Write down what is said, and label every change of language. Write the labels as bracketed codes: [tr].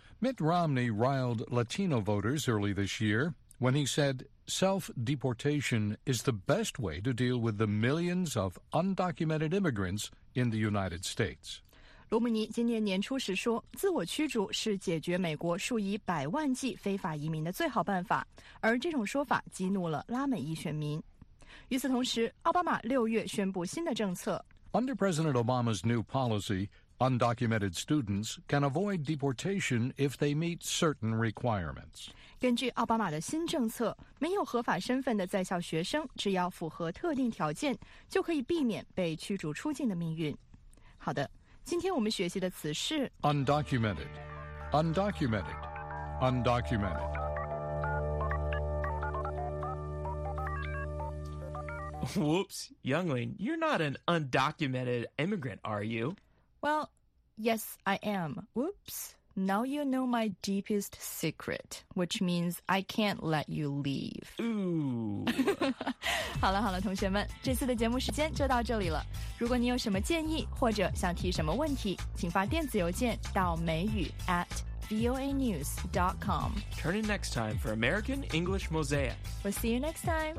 [en] Mitt Romney riled Latino voters early this year when he said self-deportation is the best way to deal with the millions of undocumented immigrants in the United States. [zh] 罗姆尼今年年初时说自我驱逐是解决美国数以百万计非法移民的最好办法，而这种说法激怒了拉美裔选民。与此同时，奥巴马六月宣布新的政策。 [en] Under President Obama's new policy, undocumented students can avoid deportation if they meet certain requirements. [zh] 根据奥巴马的新政策，没有合法身份的在校学生只要符合特定条件，就可以避免被驱逐出境的命运。好的，今天我们学习的词是 [en] undocumented, undocumented, undocumented. Whoops, Youngling, you're not an undocumented immigrant, are you? Well, yes, I am. Whoops, now you know my deepest secret, which means I can't let you leave. Ooh. [zh] 好了好了，同学们，这次的节目时间就到这里了。如果你有什么建议或者想提什么问题，请发电子邮件到mayu@voanews.com. [en] Turn in next time for American English Mosaic. We'll see you next time.